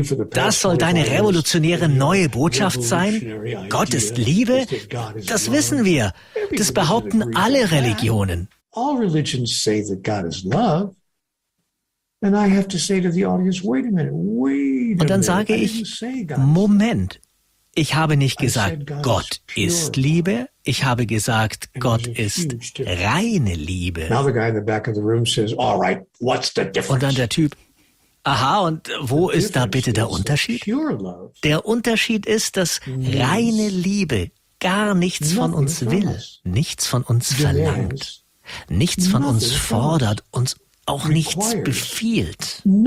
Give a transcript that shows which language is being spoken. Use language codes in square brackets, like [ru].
[de] Das soll deine revolutionäre neue Botschaft sein? Gott ist Liebe? Das wissen wir. Das behaupten alle Religionen. [en] All religions say that God is love. And I have to say to the audience, wait a minute, wait. [de] Und dann sage ich, Moment. Ich habe nicht gesagt, Gott ist Liebe. Ich habe gesagt, Gott ist reine Liebe. [en] Now the guy in the back of the room says, all right, what's the difference? [de] Und dann der Typ, aha, und wo ist da bitte der Unterschied? Der Unterschied ist, dass reine Liebe gar nichts von uns will, nichts von uns verlangt. Nichts von uns fordert, uns auch nichts befiehlt.